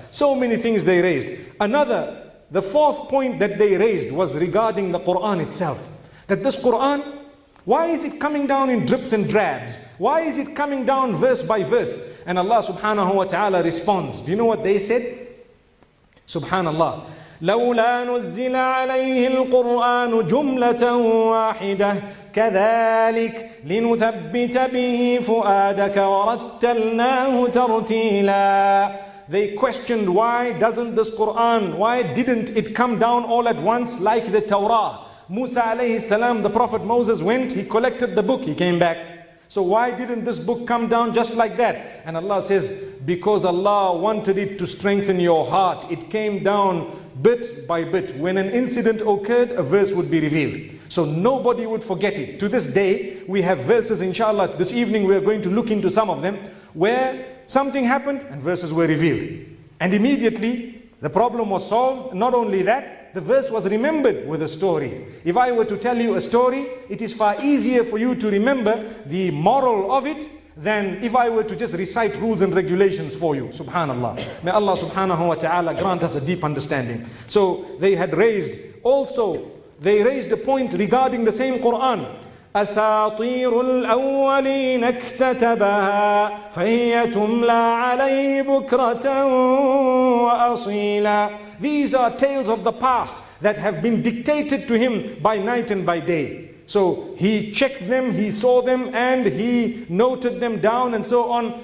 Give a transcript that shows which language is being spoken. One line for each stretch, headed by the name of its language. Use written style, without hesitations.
English: So many things they raised. The fourth point that they raised was regarding the Quran itself. That this Quran, Why is it coming down in drips and drabs? Why is it coming down verse by verse? And Allah subhanahu wa ta'ala responds. Do you know what they said? Subhanallah.
Arabic: لولا نزل عليه القرآن جملة واحدة كذلك لنثبت به فؤادك ورتلناه ترتيلا.
English: They questioned, why doesn't this Quran, why didn't it come down all at once like the Torah? Musa alayhi salam, the Prophet Moses went, he collected the book, he came back. So why didn't this book come down just like that? And Allah says, because Allah wanted it to strengthen your heart. It came down bit by bit. When an incident occurred, a verse would be revealed. So nobody would forget it. To this day, we have verses, inshallah, this evening we are going to look into some of them, where something happened and verses were revealed. And immediately, the problem was solved. Not only that, the verse was remembered with a story. If I were to tell you a story, it is far easier for you to remember the moral of it than if I were to just recite rules and regulations for you. Subhanallah. May Allah subhanahu wa ta'ala grant us a deep understanding. So they had raised, also, they raised a point regarding the same Quran.
Arabic: أساطير الأولين اكتتبها فهي تملى عليه بكرة وأصيلا.
English: These are tales of the past that have been dictated to him by night and by day. So he checked them, he saw them, and he noted them down and so on.